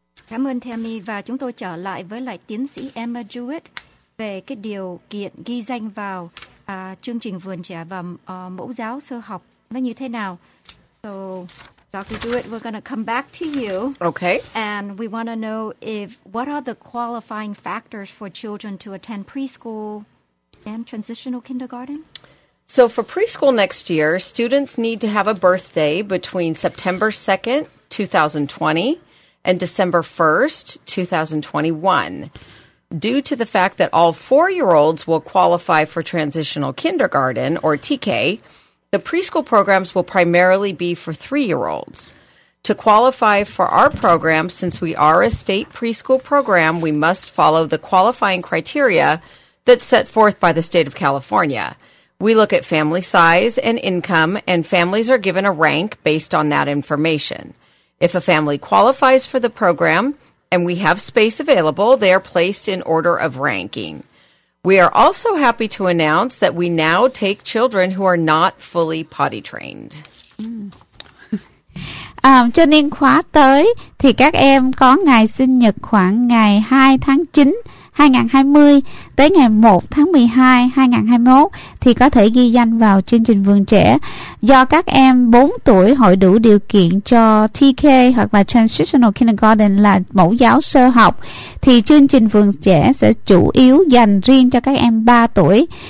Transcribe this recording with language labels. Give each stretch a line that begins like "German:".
Vietnamese: Cảm ơn Tammy, và chúng tôi trở lại với lại tiến sĩ Emma Jewett về cái điều kiện ghi danh vào chương trình Vườn Trẻ và mẫu giáo sơ học nó như thế nào.
English: So, Dr. Jewett, we're going to come back to you. Okay. And we want to know what are the qualifying factors for children to attend preschool and transitional kindergarten? So for preschool next year, students need to have a birthday between September 2nd, 2020 and December 1st, 2021. Due to the fact that all four-year-olds will qualify for transitional kindergarten, or TK, the preschool programs will primarily be for three-year-olds. To qualify for our program, since we are a state preschool program, we must follow the qualifying criteria that's set forth by the state of California. We look at family size and income, and families are given a rank based on that information. If a family qualifies for the program and we have space available, they are placed in order of ranking. We are also happy to announce that we now take children who are not fully potty trained.
Vietnamese: Cho nên khóa tới thì các em có ngày sinh nhật khoảng ngày 2 tháng 9, 2020 tới ngày 1 tháng 12, 2021 thì có thể ghi danh vào chương trình Vườn Trẻ. Do các em 4 tuổi hội đủ điều kiện cho TK hoặc là Transitional Kindergarten là mẫu giáo sơ học thì chương trình Vườn Trẻ sẽ chủ yếu dành riêng cho các em 3 tuổi.